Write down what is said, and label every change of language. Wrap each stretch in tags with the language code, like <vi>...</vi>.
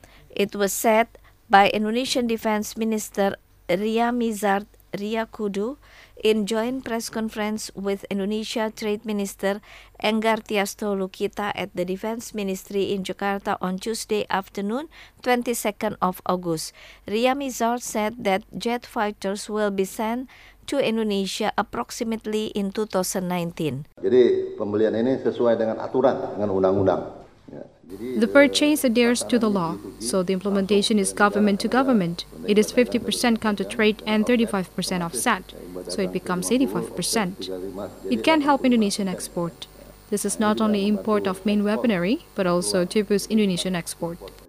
<en>It was said by Indonesian Defense Minister Ria Mizard Riyakudu in joint press conference with Indonesia Trade Minister Enggar Tiasto Lukita at the Defense Ministry in Jakarta on Tuesday afternoon, 22nd of August. Ria Mizard said that jet fighters will be sent to Indonesia approximately in 2019.</en> <id>Jadi pembelian ini sesuai dengan aturan, dengan undang-undang.</id> <en>The purchase adheres to the law, so the implementation is government to government. It is 50% counter trade and 35% offset, so it becomes 85%. It can help Indonesian export. This is not only import of main weaponry, but also to boost Indonesian export.</en>